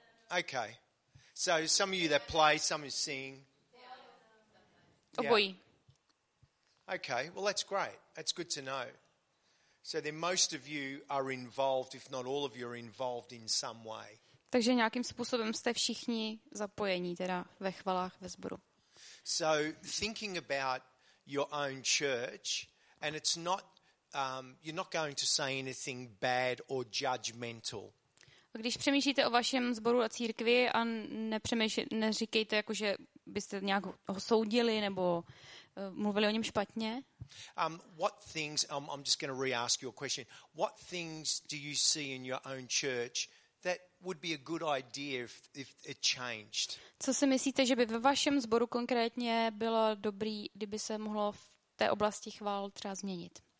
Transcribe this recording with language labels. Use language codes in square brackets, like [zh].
[en] Okay. So some of you that play, some of you sing. [cs] Oboji. [en] Okay, well that's great. That's good to know. So then most of you are involved, if not all of you are involved in some way. [cs] Takže nějakým způsobem jste všichni zapojení teda ve chvalách ve sboru. [en] So thinking about your own church, and it's not you're not going to say anything bad or judgmental. [cs] Když přemýšlíte o vašem sboru a církvi a neříkejte, jako, že byste nějak ho soudili nebo mluvili o něm špatně. [en] What things, I'm just going to re-ask your question. What things do you see in your own church that would be a good idea if it changed? [cs] Co si myslíte, že by ve vašem sboru konkrétně bylo dobrý, kdyby se mohlo v té oblasti chvál třeba změnit?